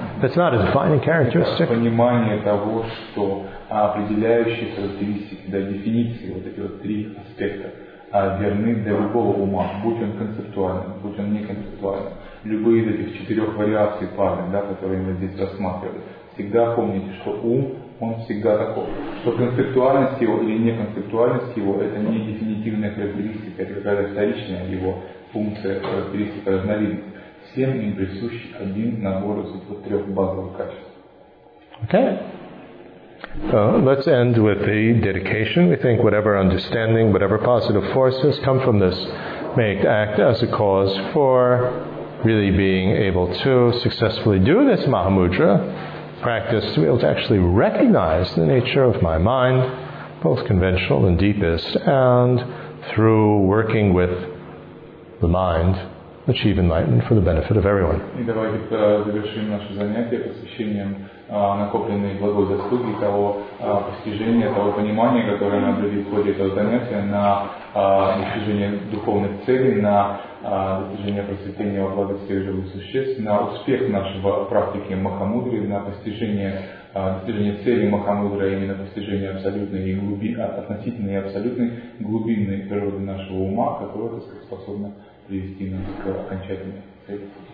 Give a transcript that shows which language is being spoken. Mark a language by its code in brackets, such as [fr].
[en] That's not a defining characteristic. [ru] Понимание того, что определяющие характеристики, да, дефиниции, вот эти вот три аспекта, верны для любого ума, будь он концептуальным, будь он неконцептуальным. Любые из этих четырех вариаций парни, да, которые мы здесь рассматривали, всегда помните, что ум, он всегда такой. Что концептуальность его или неконцептуальность его, это не дефинитивная характеристика, это какая-то вторичная его функция, характеристика, разновидность. Всем им присущ один набор из этих трех базовых качеств. [en] Okay. Let's end with the dedication. We think whatever understanding, whatever positive forces come from this may act as a cause for really being able to successfully do this Mahamudra practice, to be able to actually recognize the nature of my mind, both conventional and deepest, and through working with the mind, achieve enlightenment for the benefit of everyone. [ru] И давайте завершим наше занятие посвящением накопленной благой заслуги того постижения, того понимания, которое мы обрели в ходе этого занятия на достижение духовных целей, на достижение просветления во благо всех живых существ, на успех нашего практики Махамудры, на достижение цели Махамудры, а именно постижение абсолютной относительной и абсолютной глубинной природы нашего ума, которая, так сказать, способна привести нас к окончательной цели.